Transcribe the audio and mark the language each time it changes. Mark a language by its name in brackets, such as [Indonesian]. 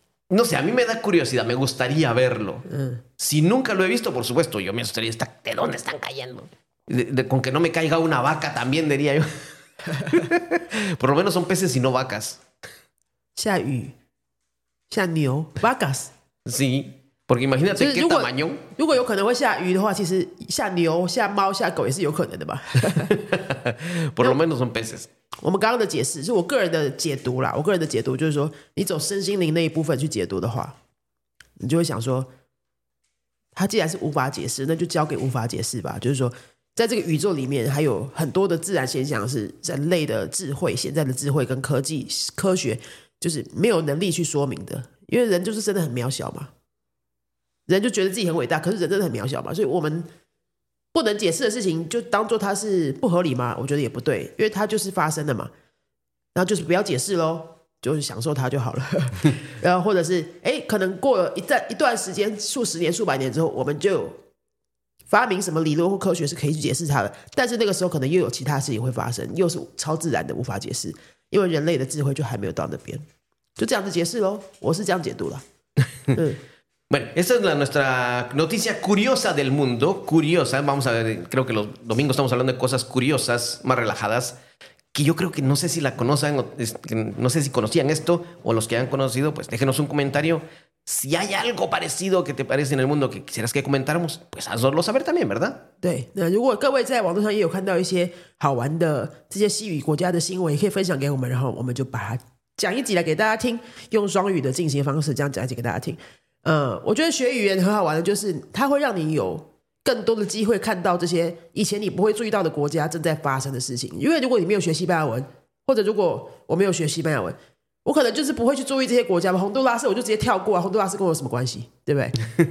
[Spanish] No sé, a mí me da curiosidad, me gustaría verlo. Si nunca lo he visto, por supuesto, yo me gustaría estar... ¿De dónde están cayendo? Con que no me caiga una vaca también, diría yo. Por lo menos son peces y no vacas. [Chinese] 下雨像牛 [Spanish] vacas sí porque imagínate qué tamaño [Chinese] 如果有可能会下鱼的话其实下牛下猫下狗也是有可能的吧 [Spanish] por lo menos son peces [Chinese] 我们刚刚的解释是我个人的解读啦我个人的解读就是说你走身心灵那一部分去解读的话你就会想说它既然是无法解释那就交给无法解释吧就是说在这个宇宙里面还有很多的自然现象是人类的智慧现在的智慧跟科技科学就是没有能力去说明的因为人就是真的很渺小嘛人就觉得自己很伟大可是人真的很渺小嘛所以我们不能解释的事情就当做它是不合理嘛我觉得也不对因为它就是发生的嘛然后就是不要解释咯就是享受它就好了然后或者是哎，可能过了 一段时间数十年数百年之后我们就发明什么理论或科学是可以去解释它的但是那个时候可能又有其他事情会发生又是超自然的无法解释因为人类的智慧就还没有到那边，就这样子解释咯，我是这样解读啦。 [Spanish] Bueno, esta es nuestra noticia curiosa del mundo. Curiosa, vamos a ver, creo que los domingos estamos hablando de cosas curiosas, más relajadas, que yo creo que no sé si la conocen, no sé si conocían esto, o los que han conocido, pues déjenos un comentario. Si hay algo parecido que te parece en el mundo que quisieras que comentáramos, pues házoslo saber también, ¿verdad? [Chinese] 对，那如果各位在网络上也有看到一些好玩的这些西语国家的新闻，也可以分享给我们，然后我们就把它讲一集来给大家听，用双语的进行方式这样讲一集给大家听。我觉得学语言很好玩的就是它会让你有更多的机会看到这些以前你不会注意到的国家正在发生的事情，因为如果你没有学西班牙文，或者如果我没有学西班牙文，我可能就是不会去注意这些国家嘛。洪都拉斯我就直接跳过啊，洪都拉斯跟我有什么关系，对不对？